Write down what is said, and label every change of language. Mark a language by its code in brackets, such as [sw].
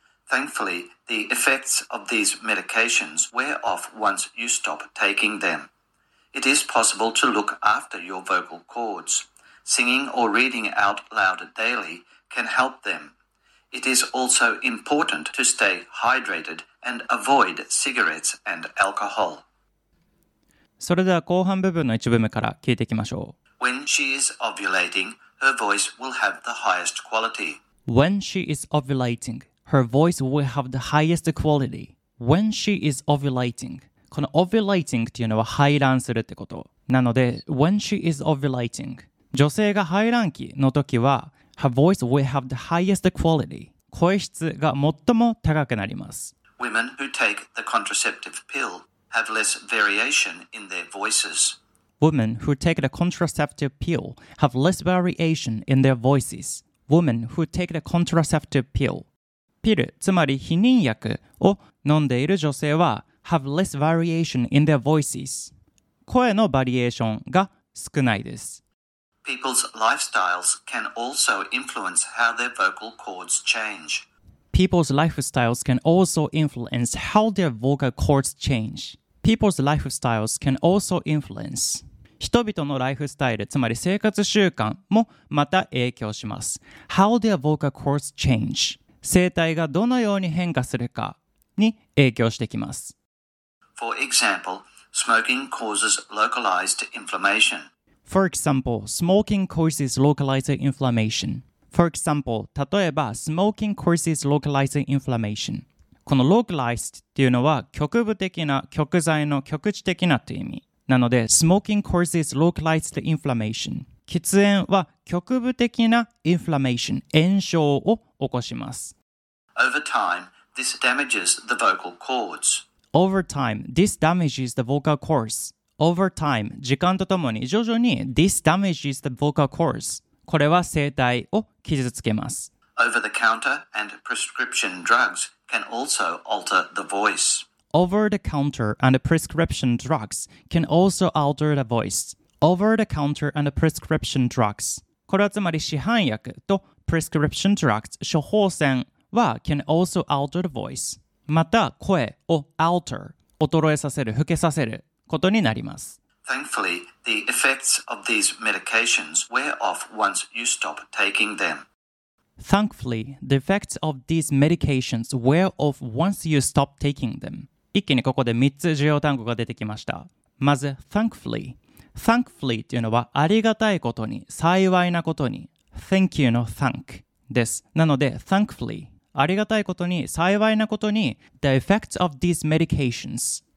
[en] Thankfully, the effects of these medications wear off once you stop taking them. It is possible to look after your vocal cords. Singing or reading out loud daily can help them. It is also important to stay hydrated and avoid cigarettes and alcohol. [ja] それでは後半部分の一部目から聞いていきましょう。 [en] When she is ovulating, her voice will have the highest quality. When she is ovulating, her voice will have the highest quality. When she is ovulating, [ja] この ovulating というのは排卵するってこと。 [en] なので、when she is ovulating, [ja] 女性が排卵期の時は [en] Her voice will have the highest quality. [ja] 声質が最も高くなります。 [en] Women who take the contraceptive pill have less variation in their voices. Women who take the contraceptive pill have less variation in their voices. Women who take the contraceptive pill. [ja] ピル、つまり避妊薬を飲んでいる女性は [en] have less variation in their voices. [ja] 声のバリエーションが少ないです。 [en] People's lifestyles can also influence how their vocal cords change. People's lifestyles can also influence how their vocal cords change. People's lifestyles can also influence. [ja] 人々のライフスタイル、つまり生活習慣もまた影響します。 [en] How their vocal cords change. [ja] 声帯がどのように変化するかに影響してきます。 [en] For example, smoking causes localized inflammation. For example, smoking causes localized inflammation. For example, [ja] 例えば [en] smoking causes localized inflammation. [ja] この localized っていうのは局部的な、局在の、局地的なという意味。 [en] なので smoking causes localized inflammation. [ja] 喫煙は局部的な inflammation、炎症を起こします。 [en] Over time, this damages the vocal cords. Over time, this damages the vocal cords. Over time, [ja] 時間とともに徐々に [en] This damages the vocal cords. [ja] これは声帯を傷つけます。 [en] Over-the-counter and prescription drugs can also alter the voice. Over-the-counter and prescription drugs can also alter the voice. Over-the-counter and prescription drugs. [ja] これはつまり市販薬と [en] prescription drugs [ja] 処方箋は [en] can also alter the voice. [ja] また声を alter 衰えさせる、老けさせる。ことになります。 [en] Thankfully, the effects of these medications wear off once you stop taking them. Thankfully, the effects of these medications wear off once you stop taking them. [ja] 一気にここで3つ重要単語が出てきました。まず、thankfully。Thankfully というのはありがたいことに、幸いなことに。 Thank you の thank です。なので、thankfully。ありがたいことに、幸いなことに、 [en] the effects of these medications.